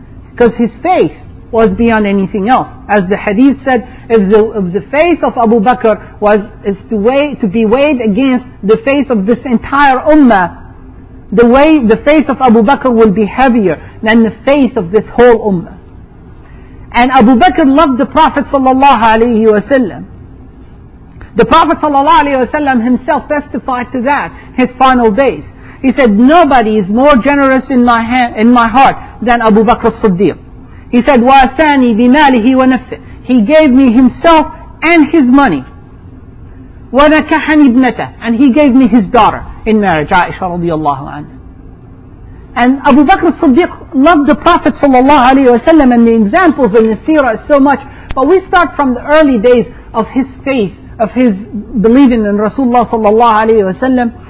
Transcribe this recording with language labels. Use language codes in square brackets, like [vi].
[en] Because his faith was beyond anything else. As the hadith said, if the faith of Abu Bakr was to be weighed against the faith of this entire ummah, the faith of Abu Bakr will be heavier than the faith of this whole ummah. And Abu Bakr loved the Prophet sallallahu alayhi wa sallam. The Prophet sallallahu alayhi wa sallam himself testified to that, his final days. He said, nobody is more generous in my heart than Abu Bakr as-Siddiq. He said, [ar] وَأَثَانِي بِمَالِهِ وَنَفْسِهِ. [en] He gave me himself and his money. [ar] وَنَكَحَنِ ابْنَتَهِ. [en] And he gave me his daughter in marriage, Aisha radiallahu anha. And Abu Bakr as-Siddiq loved the Prophet sallallahu alayhi wa sallam, and the examples in the seerah is so much. But we start from the early days of his faith, of his believing in Rasulullah sallallahu alayhi wa sallam.